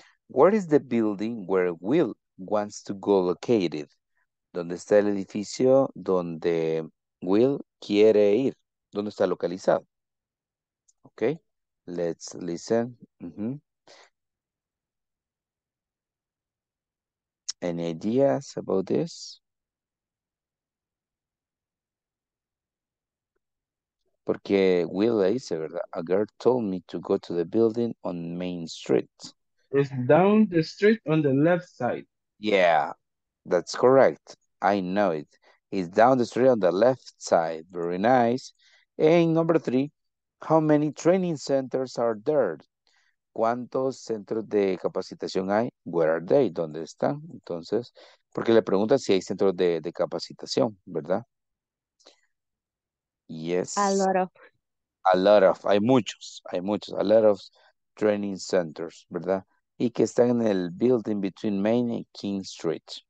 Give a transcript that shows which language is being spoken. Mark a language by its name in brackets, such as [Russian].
[English] Where is the building where Will wants to go located? [Spanish] ¿Dónde está el edificio donde Will quiere ir? ¿Dónde está localizado? [English] Okay, let's listen. [Spanish] Mm-hmm. [English] Any ideas about this? [Spanish] Porque Will dice, ¿verdad? [English] A girl told me to go to the building on Main Street. It's down the street on the left side. Yeah, that's correct. I know it. It's down the street on the left side. Very nice. And number three, how many training centers are there? ¿Cuántos centros de capacitación hay? Where are they? ¿Dónde están? [Spanish] Entonces, porque le pregunta si hay centros de capacitación, ¿verdad? [English] Yes. A lot of. A lot of. [Spanish] Hay muchos. [English] A lot of training centers, [Spanish] ¿verdad? Y que están en el building between Main and King Street.